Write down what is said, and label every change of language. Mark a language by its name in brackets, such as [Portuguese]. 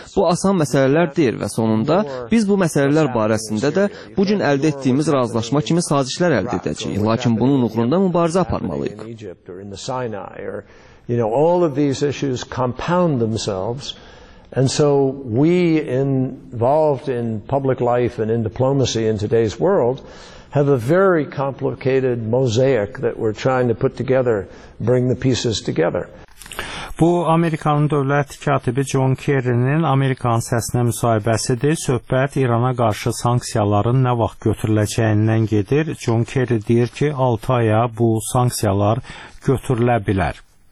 [Azerbaijani] Bu asan məsələlər deyil və sonunda biz bu məsələlər barəsində də bu gün əldə etdiyimiz razılaşma kimi sazişlər əldə edəcəyik. Lakin bunun uğrunda arz aparmalıyıq. [English] Egypt or in the Sinai or, you know, all of these issues compound themselves, and so we involved in public life and in diplomacy in today's world have a very complicated mosaic that we're trying to put together, bring the pieces together. [Azerbaijani] Bu, Amerikanın dövlət katibi John Kerry'nin Amerikan səsinə müsahibəsidir. Söhbət İrana qarşı sanksiyaların nə vaxt götürüləcəyindən gedir. John Kerry deyir ki, 6 aya bu sanksiyalar götürülə bilər.